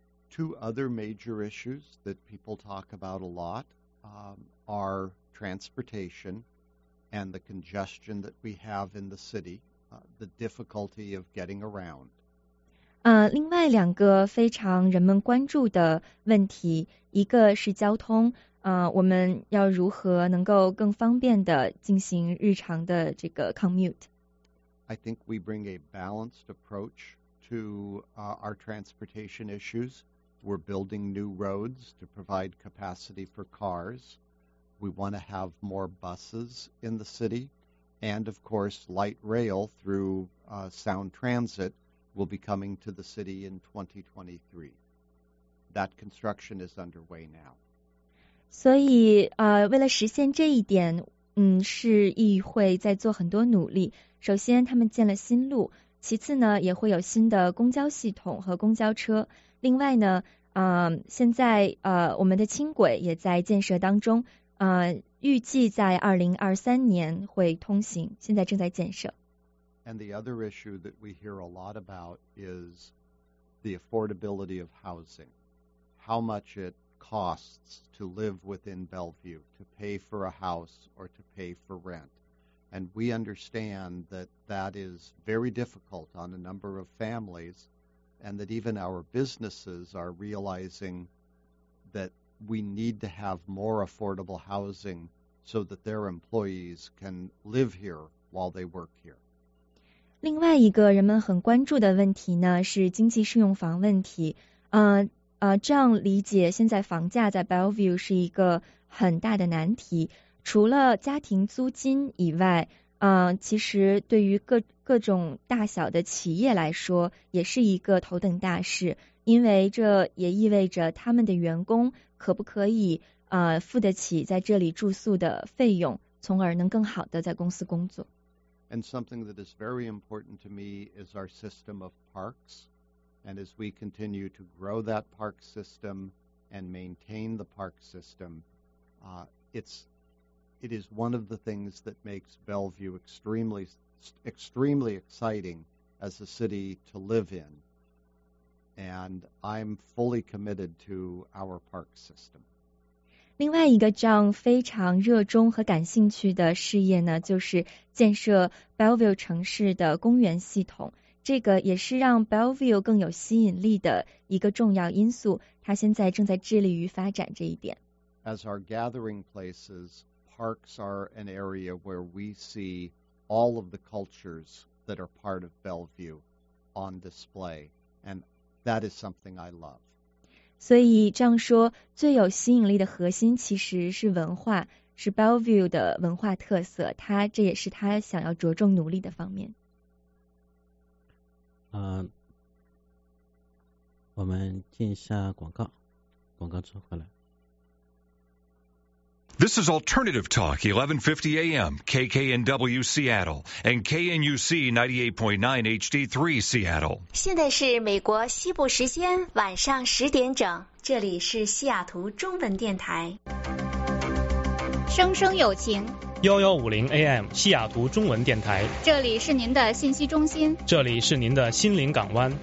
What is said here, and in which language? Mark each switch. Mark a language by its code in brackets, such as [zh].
[en] two other major issues that people talk about a lot are transportation and the congestion that we have in the city, the difficulty of getting around. [zh] 另外两个非常人们关注的问题，一个是交通，我们要如何能够更方便地进行日常的这个 commute? [en] I think we bring a balanced approach to our transportation issues. We're building new roads to provide capacity for cars. We want to have more buses in the city. And of course, light rail through Sound Transit will be coming to the city in 2023. That construction is underway now. [zh] 所以为了实现这一点，市议会在做很多努力。首先他们建了新路，其次呢也会有新的公交系统和公交车。另外呢现在我们的轻轨也在建设当中，预计在2023年会通行，现在正在建设。 [en] And the other issue that we hear a lot about is the affordability of housing. How much it costs to live within Bellevue, to pay for a house or to pay for rent. And we understand that that is very difficult on a number of families, and that even our businesses are realizing that we need to have more affordable housing so that their employees can live here while they work here. [zh] 另外一个人们很关注的问题呢，是经济适用房问题。这样理解，现在房价在 Bellevue 是一个很大的难题。除了家庭租金以外，其实对于各种大小的企业来说，也是一个头等大事，因为这也意味着他们的员工可不可以付得起在这里住宿的费用，从而能更好的在公司工作。 [en] And something that is very important to me is our system of parks. And as we continue to grow that park system and maintain the park system, it is one of the things that makes Bellevue extremely, extremely exciting as a city to live in. And I'm fully committed to our park system. [zh] 另外一个 John 非常热衷和感兴趣的事业呢，就是建设 Bellevue 城市的公园系统，这个也是让 Bellevue 更有吸引力的一个重要因素，他现在正在致力于发展这一点。 [en] As our gathering places, parks are an area where we see all of the cultures that are part of Bellevue on display, and that is something I love. [zh] 所以这样说，最有吸引力的核心其实是文化，是 Bellevue 的文化特色，他这也是他想要着重努力的方面。我们进一下广告，广告之后回来。 [en] This is Alternative Talk, 1150 AM, KKNW Seattle, and KNUC 98.9 HD3 Seattle. [zh] 现在是美国西部时间晚上十点整，这里是西雅图中文电台。声声有情。 1150 AM, 西雅图中文电台。这里是您的信息中心。这里是您的心灵港湾。